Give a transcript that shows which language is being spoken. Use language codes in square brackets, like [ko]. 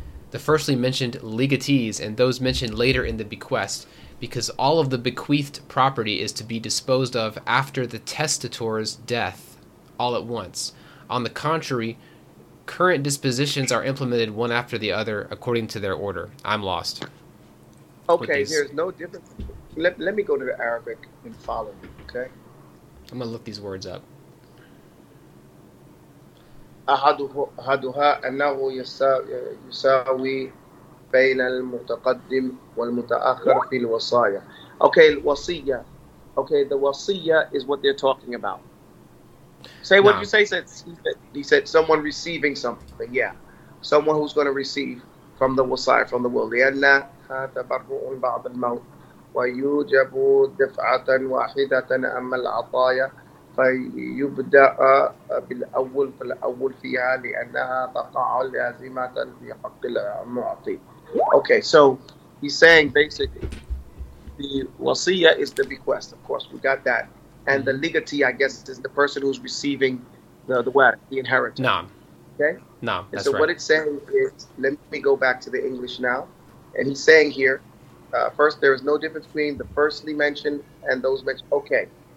[en] The firstly mentioned legatees and those mentioned later in the bequest, because all of the bequeathed property is to be disposed of after the testator's death, all at once. On the contrary, current dispositions are implemented one after the other according to their order. I'm lost. Okay, there's no difference. Let me go to the Arabic and follow you, okay? I'm going to look these words up. [ar] أحدها أنه يساوي بين المتقدم والمتأخر في الوصايا. [en] Okay, الوصية. Okay, the وصية is what they're talking about. Say what no. you say. He said someone receiving something. Yeah, someone who's going to receive from the wasaya from the will. [ar] لأن تبرع بعض الموت ويوجب دفعة واحدة أما العطايا فيبدأ بالأول فالأول فيها لأنها تقع لازمة في حق المعطي. [en] Okay, so he's saying basically the wasiya is the bequest. Of course, we got that. And the legatee, I guess, is the person who's receiving the inheritance. Naam. Okay? Naam, that's so right. What it's saying is, let me go back to the English now. And he's saying here, first, there is no difference between the firstly mentioned and those mentioned. Okay.